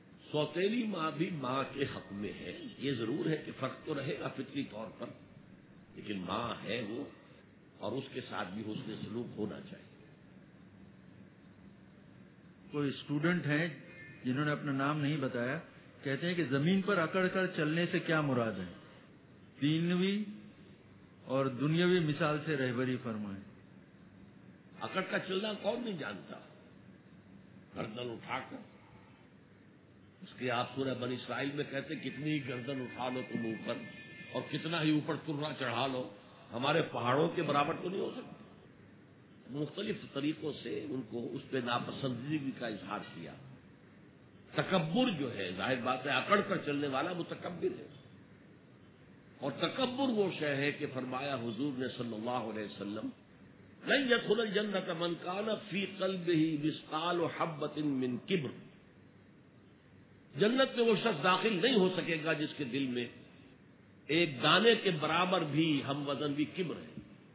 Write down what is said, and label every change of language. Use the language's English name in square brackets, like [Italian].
[Urdu] سوتیلی ماں بھی ماں کے حق میں ہے، یہ ضرور ہے کہ فرق تو رہے گا فطری طور پر، لیکن ماں ہے وہ، اور اس کے ساتھ بھی حسن سلوک ہونا چاہیے. کوئی اسٹوڈنٹ ہیں جنہوں نے اپنا نام نہیں بتایا، کہتے ہیں کہ زمین پر اکڑ کر چلنے سے کیا مراد ہے؟ دینوی اور دنیاوی مثال سے رہبری فرمائیں. اکڑ کر چلنا کون نہیں جانتا، گردن اٹھا کر. اس کے آپ سورہ بنی اسرائیل میں کہتے ہیں کتنی گردن اٹھا لو تم اوپر، اور کتنا ہی اوپر ترنا چڑھا لو، ہمارے پہاڑوں کے برابر تو نہیں ہو سکتا. مختلف طریقوں سے ان کو اس پہ ناپسندیدگی کا اظہار کیا. تکبر جو ہے، ظاہر بات ہے اکڑ پر چلنے والا متکبر ہے، اور تکبر وہ شے ہے کہ فرمایا حضور نے صلی اللہ علیہ وسلم [Arabic] لن يدخل الجنة من كان في قلبه مثقال حبة من كبر، [Urdu] جنت میں وہ شخص داخل نہیں ہو سکے گا جس کے دل میں ایک دانے کے برابر بھی ہم وزن بھی کبر ہے.